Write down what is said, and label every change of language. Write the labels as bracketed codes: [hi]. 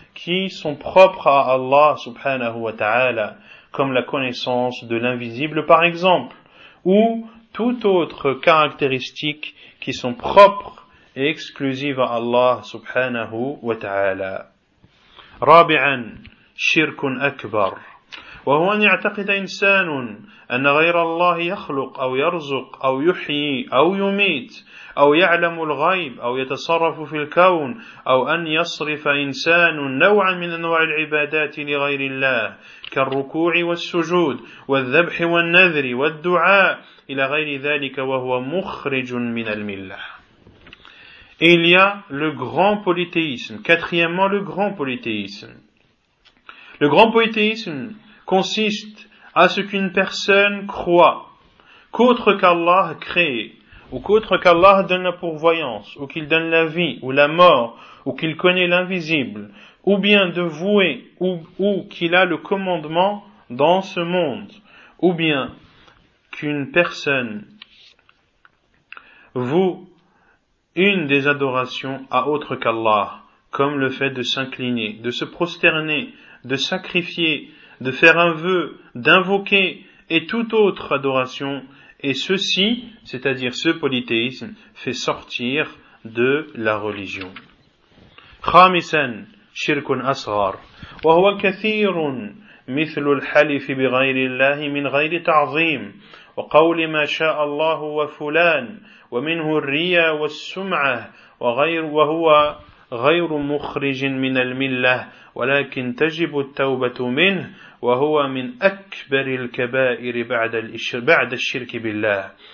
[fr] qui sont propres à Allah subhanahu wa ta'ala, comme la connaissance de l'invisible par exemple, ou toute autre caractéristique qui sont propres et exclusives à Allah subhanahu wa ta'ala. [ar] Rabi'an, shirkun akbar. وهو أن يعتقد إنسان أن غير الله يخلق أو يرزق أو يحيي أو يميت أو يعلم الغيب أو يتصرف في الكون أو أن يصرف إنسان نوعا من أنواع العبادات لغير الله كالركوع والسجود والذبح والنذر والدعاء إلى غير ذلك وهو مخرج من الملة. [fr] Il y a le grand polythéisme. Quatrièmement, le grand polythéisme. Le grand polythéisme consiste à ce qu'une personne croit qu'autre qu'Allah crée, ou qu'autre qu'Allah donne la pourvoyance, ou qu'il donne la vie, ou la mort, ou qu'il connaît l'invisible, ou bien de vouer, ou qu'il a le commandement dans ce monde, ou bien qu'une personne voue une des adorations à autre qu'Allah, comme le fait de s'incliner, de se prosterner, de sacrifier, de faire un vœu, d'invoquer et toute autre adoration, et ceci, c'est-à-dire ce polythéisme, fait sortir de la religion. [ar] خامسا شرك أصغر وهو كثير مثل الحلف بغير الله من غير تعظيم وقول ما شاء الله وفلان ومنه الرياء والسمعة وغير وهو غير مخرج من الملة ولكن تجب التوبة منه وهو من أكبر الكبائر بعد الشرك بالله.